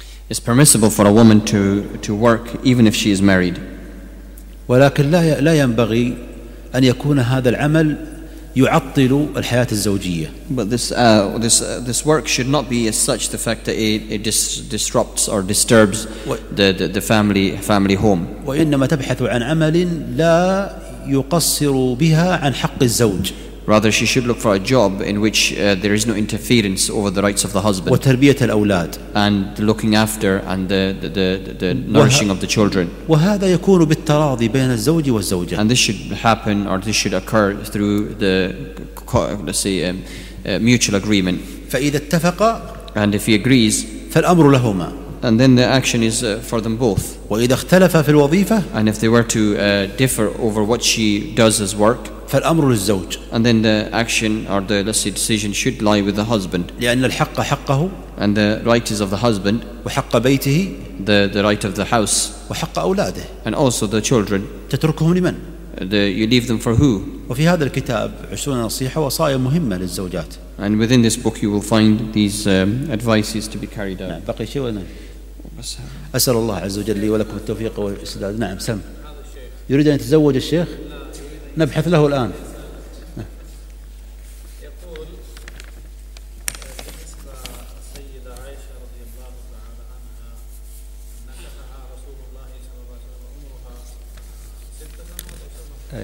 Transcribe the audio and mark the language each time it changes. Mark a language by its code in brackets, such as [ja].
[en] It's permissible for a woman to work even if she is married. [ar] ولكن لا ينبغي أن يكون هذا العمل يعطل الحياة الزوجية. [en] But this work should not be as such the fact that it disrupts or disturbs the family home. [ar] وإنما تبحث عن عمل لا يقصر بها عن حق الزوج. [en] Rather, she should look for a job in which there is no interference over the rights of the husband. [ar] وتربية الأولاد. [en] And looking after and the nourishing of the children. [ar] وهذا يكون بالتراضي بين الزوج والزوجة. [en] And this should happen or this should occur through the, let's say, mutual agreement. [ar] فإذا اتفق. [en] And if he agrees. [ar] فالأمر لهما. [en] And then the action is for them both. [ar] وإذا اختلف في الوظيفة. [en] And if they were to differ over what she does as work. [ar] فالأمر للزوج. [en] And then the action or the, let's say, decision should lie with the husband. [ar] لأن الحق حقه. [en] And the right is of the husband. [ar] وحق بيته. [en] The right of the house. [ar] وحق أولاده. [en] And also the children. [ar] تتركهم لمن؟ [en] You leave them for who? [ar] وفي هذا الكتاب 20 نصيحة وصايا مهمة للزوجات. [en] And within this book you will find these advices to be carried out. [ar] نعم بقي شيء ولا؟ أسأل الله عز وجل لي ولكم التوفيق والسداد. نعم سلم. يريد أن يتزوج الشيخ؟ نبحث له الآن. يقول بالنسبة السيدة عائشة رضي الله تعالى عنها نكحها رسول الله صلى الله عليه وسلم عمرها 6 سنوات أو 7 سنوات.